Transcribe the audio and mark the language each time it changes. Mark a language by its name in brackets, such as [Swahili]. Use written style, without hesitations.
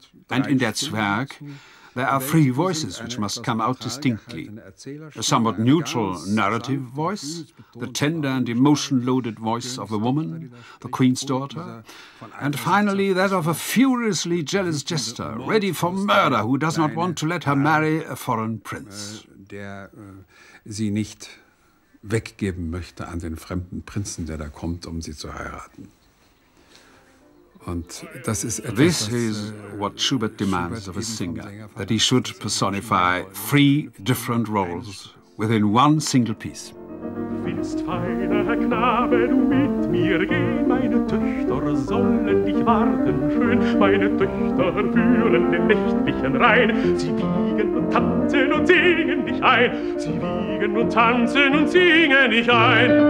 [English] And in Der Zwerg, there are three voices which must come out distinctly. A somewhat neutral narrative voice, the tender and emotion-loaded voice of a woman, the queen's daughter, and finally that of a furiously jealous jester, ready for murder, who does not want to let her marry a foreign prince. [German] Der sie nicht weggeben möchte an den fremden Prinzen, der da kommt, um sie zu heiraten. Und das ist etwas, [English] this is what Schubert demands of a singer, that he should personify three different roles within one single piece. [German] Willst feiner Knabe du mit mir geh, meine Töchter sollen dich warten schön, meine Töchter führen den nächtlichen Rhein, sie wiegen und tanzen und singen dich ein, sie wiegen und tanzen und singen dich ein.